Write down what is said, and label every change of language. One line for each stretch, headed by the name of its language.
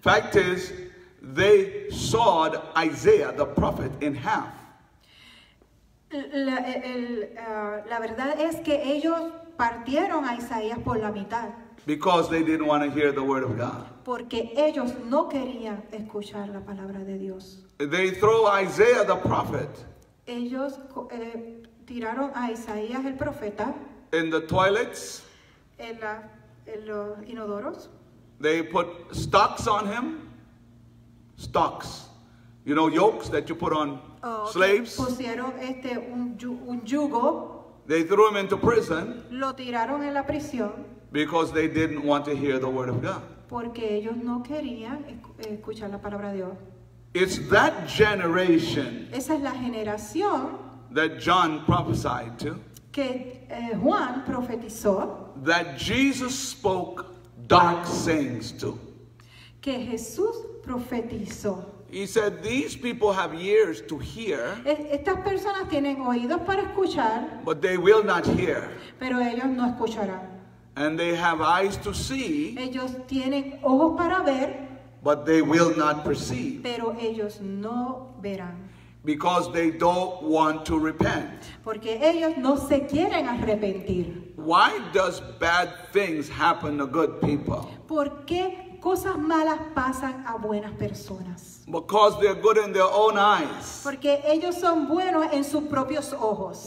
English: Fact is, they sawed Isaiah the prophet in half.
Spanish: La verdad es que ellos partieron a Isaías por la mitad.
English: Because they didn't want to hear the word of God.
Spanish: Porque ellos no querían escuchar la palabra de Dios.
English: They throw Isaiah the prophet.
Spanish: Ellos tiraron a Isaías el profeta.
English: In the toilets.
Spanish: En los inodoros.
English: They put stocks on him. Stocks. You know, yokes that you put on slaves.
Spanish: Pusieron un yugo.
English: They threw him into prison.
Spanish: Lo tiraron en la prisión.
English: Because they didn't want to hear the word of God.
Spanish: Porque ellos no querían escuchar la palabra de Dios.
English: It's that generation.
Spanish: Esa es la generación.
English: That John prophesied to.
Spanish: Que Juan profetizó.
English: That Jesus spoke dark sayings to.
Spanish: Que Jesús profetizó.
English: He said, these people have ears to hear.
Spanish: Estas personas tienen oídos para escuchar.
English: But they will not hear.
Spanish: Pero ellos no escucharán.
English: And they have eyes to see.
Spanish: Ellos tienen ojos para ver.
English: But they will not perceive.
Spanish: Pero ellos no verán.
English: Because they don't want to repent.
Spanish: Porque ellos no se quieren arrepentir.
English: Why does bad things happen to good people?
Spanish: ¿Por qué cosas malas pasan a buenas personas?
English: Because they're good in their own eyes.
Spanish: Porque ellos son buenos en sus propios ojos.